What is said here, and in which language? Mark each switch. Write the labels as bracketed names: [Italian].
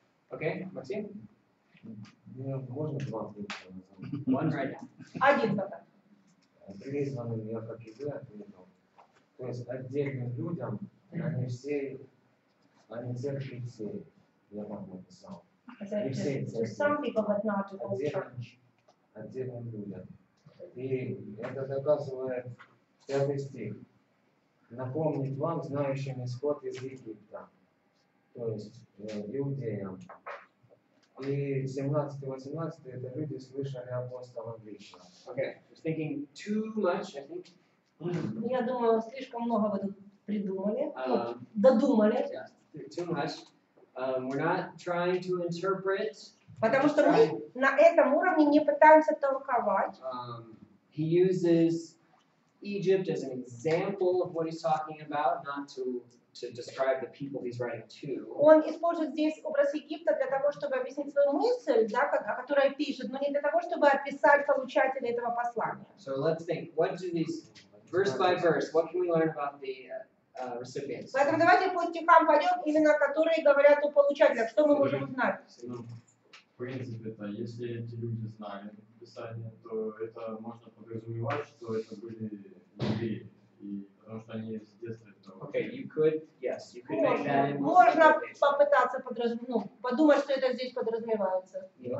[English] Okay, Максим? [Russian] Можно два ответа на самом деле? Один пока. Призванным я как и вы ответил. То есть отдельным людям, они все, они церкви все, я вам написал. [English] To some people, but not to all church. [Russian] Отдельным людям. И это доказывает пятый стих. Напомнить вам, знающим исход из Египта, то есть иудеям. И 17-18 это люди слышали апостола лично. [English] Okay, just thinking too much, I think. [Russian] Я думаю, слишком много вы тут придумали, додумали. [English] Yeah, too much. We're not trying to interpret. [Russian] Потому что мы на этом уровне не пытаемся толковать. [English] He uses Egypt as an example of what he's talking about, not to to describe the people he's writing to. [Russian] Он использует здесь образ Египта для того, чтобы объяснить свою мысль, да, о которой пишет, но не для того, чтобы описать получателя этого послания. [English] So let's think. What do these verse by verse? What can we learn about the recipients? [Russian] Поэтому давайте по стихам пойдем, именно которые говорят о получателях. Что мы можем узнать? В принципе, это если эти люди знали Писание, то это можно подразумевать, что это были евреи, и потому что они с детства это. [English] Okay, you could, yes, you could make that. [Russian] Можно попытаться подумать, что это здесь подразумевается.